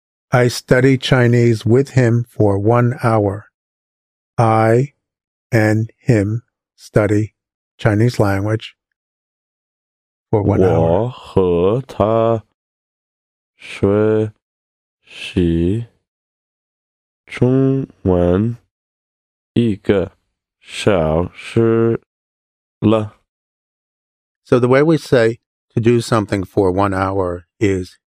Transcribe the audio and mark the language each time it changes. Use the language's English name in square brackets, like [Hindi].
[English] I study Chinese with him for 1 hour. I and him study Chinese language for 1 hour. [Chinese] 我和他学习中文一个小时了. [English] So the way we say to do something for 1 hour is